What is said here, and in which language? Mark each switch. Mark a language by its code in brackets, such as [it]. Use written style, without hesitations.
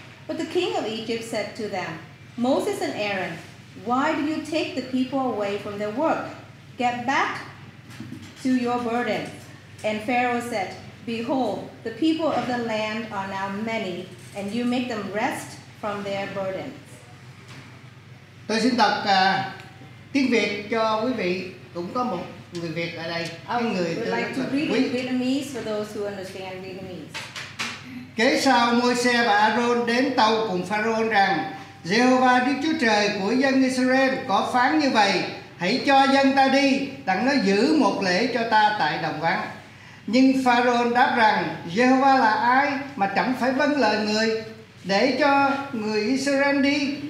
[en] But the king of Egypt said to them, "Moses and Aaron, why do you take the people away from their work? Get back to your burden." And Pharaoh said, "Behold, the people of the land are now many, and you make them rest from their burdens." [vi] Tôi xin đọc tiếng Việt cho quý vị. Cũng có một người Việt ở đây. [en] I would like to read in Vietnamese for those who understand Vietnamese. [vi] Kế sau, Môi-se và A-rôn đến tàu cùng Pharaoh rằng, "Jehovah Đức Chúa Trời của dân Israel có phán như vậy: Hãy cho dân ta đi, đặng nó giữ một lễ cho ta tại đồng vắng." Nhưng Pharaoh đáp rằng, "Jehovah là ai mà chẳng phải vâng lời người, để cho người Israel đi?